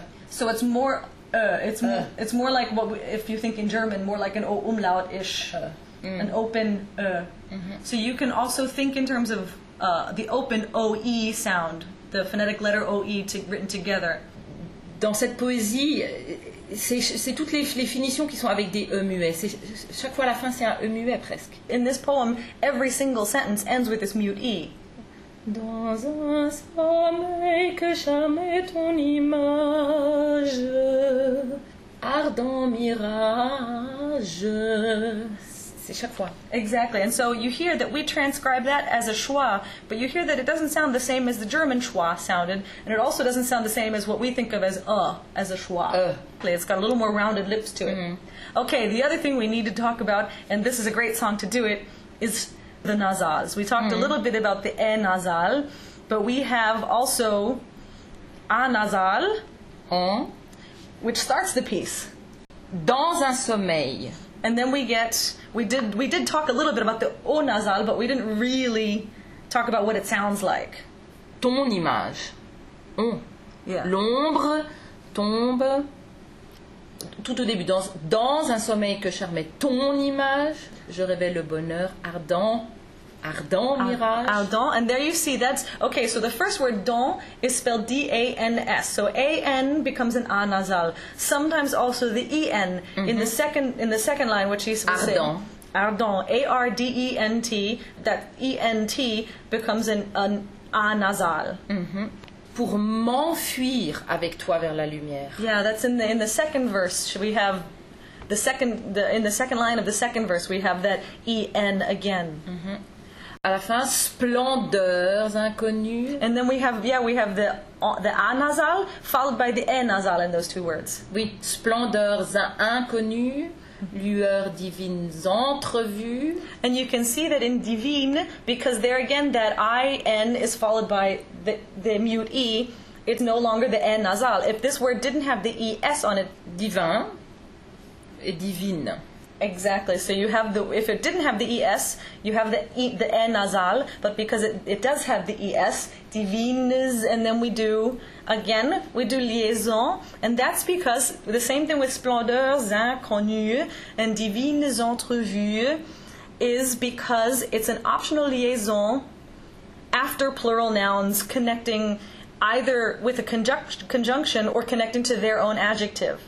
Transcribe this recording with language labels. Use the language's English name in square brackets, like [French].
[English] So it's more it's more like what we, if you think in German, more like an O umlaut ish, an open So you can also think in terms of the open OE sound, the phonetic letter OE written together. [French] Dans cette poésie, c'est toutes les finitions qui sont avec des E muets. Chaque fois à la fin, c'est un E muet presque. [English] In this poem, every single sentence ends with this mute E. [French] Dans un sommeil que jamais ton image ardent mirage. C'est chaque fois. [English] Exactly. And so you hear that we transcribe that as a schwa, but you hear that it doesn't sound the same as the German schwa sounded, and it also doesn't sound the same as what we think of as a schwa. It's got a little more rounded lips to it. Okay, the other thing we need to talk about, and this is a great song to do it, is the nasals. We talked a little bit about the e nasal, but we have also a nasal, which starts the piece. [French] Dans un sommeil. [English] And then we did talk a little bit about the o nasal, but we didn't really talk about what it sounds like. [French] Ton image. [English] Yeah. [French] L'ombre tombe. Tout au début, dans un sommeil que charmait ton image, je rêvais le bonheur ardent. Ardent mirage. [English] Ardent, and there you see that's okay. So the first word dans is spelled D-A-N-S. So A-N becomes an A nasal. Sometimes also the E-N in the second line, which is [French] ardent. [English] Ardent. A-R-D-E-N-T. That E-N-T becomes an A nasal. [French] Pour m'enfuir avec toi vers la lumière. [English] Yeah, that's in the second verse. We have the second line of the second verse. We have that E-N again. [French] À la fin, splendeurs inconnues. [English] And then we have the A nasal followed by the E nasal in those two words. [French] Oui, splendeurs inconnues, lueurs divines entrevues. [English] And you can see that in divine, because there again that I-N is followed by the mute E, it's no longer the E nasal. If this word didn't have the E-S on it, [French] divin et divine. [English] Exactly. So you have if it didn't have the ES, you have the E nasal, but because it does have the ES, divines, and then we do liaison, and that's because the same thing with [French] splendeurs inconnues [English] and [French] divines entrevues [English] is because it's an optional liaison after plural nouns connecting either with a conjunction or connecting to their own adjective.